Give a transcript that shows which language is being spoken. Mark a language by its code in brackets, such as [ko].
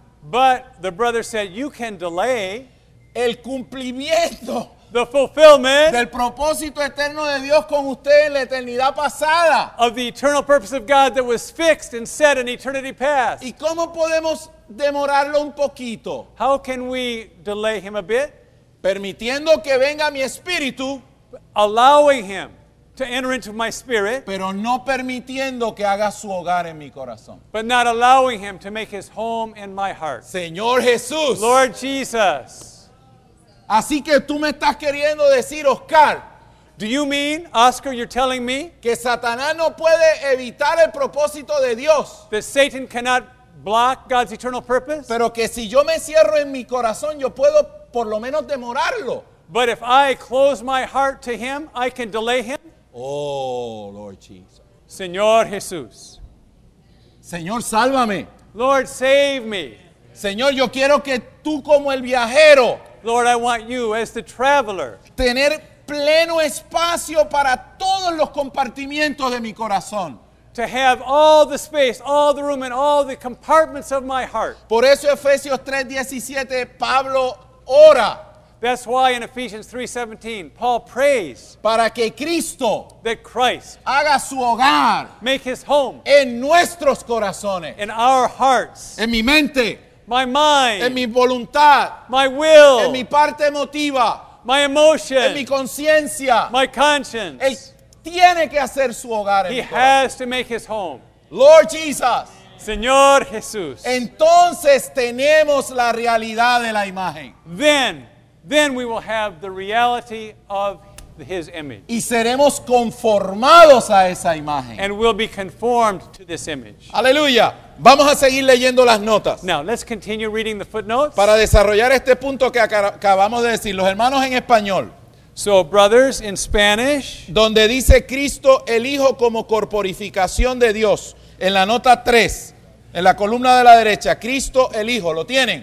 [en] But the brother said you can delay [es] el cumplimiento, [en] the fulfillment [es] del propósito eterno de Dios con usted en la eternidad pasada, [en] of the eternal purpose of God that was fixed and set in eternity past. [es] ¿Y cómo podemos demorarlo un poquito? [en] How can we delay him a bit? [es] Permitiendo que venga mi espíritu, [en] allowing him to enter into my spirit, [es] pero no permitiendo que haga su hogar en mi corazón. [en] But not allowing him to make his home in my heart. [es] Señor Jesús. [en] Lord Jesus. [es] Así que tú me estás queriendo decir, Oscar. [en] Do you mean, Oscar, you're telling me? [es] Que Satanás no puede evitar el propósito de Dios. [en] That Satan cannot block God's eternal purpose. [es] Pero que si yo me cierro en mi corazón, yo puedo por lo menos demorarlo. [en] But if I close my heart to him, I can delay him. Oh, Lord Jesus. [es] Señor Jesús. Señor, sálvame. [en] Lord, save me. [es] Señor, yo quiero que tú como el viajero. [en] Lord, I want you as the traveler. [es] Tener pleno espacio para todos los compartimientos de mi corazón. [en] To have all the space, all the room, and all the compartments of my heart. [es] Por eso Efesios 3:17, Pablo ora. [en] That's why in Ephesians 3:17, Paul prays [es] para que Cristo, [en] that Christ, [es] haga su hogar, [en] make his home [es] en nuestros corazones, [en] in our hearts, [es] en mi mente, [en] my mind, [es] en mi voluntad, [en] my will, [es] en mi parte emotiva, [en] my emotion, [es] en mi conciencia, [en] my conscience. [es] Él tiene que hacer su hogar en [en] he [es] mi [en] has [es] corazón. [en] To make his home. Lord Jesus. [es] Señor Jesús. Entonces tenemos la realidad de la imagen. [en] Then we will have the reality of his image. [es] Y seremos conformados a esa imagen. [en] And we'll be conformed to this image. [es] Aleluya. Vamos a seguir leyendo las notas. [en] Now, let's continue reading the footnotes. [es] Para desarrollar este punto que acabamos de decir, los hermanos en español. [en] So, brothers, in Spanish. [es] Donde dice Cristo el Hijo como corporificación de Dios. En la nota 3, en la columna de la derecha, Cristo el Hijo, ¿lo tienen?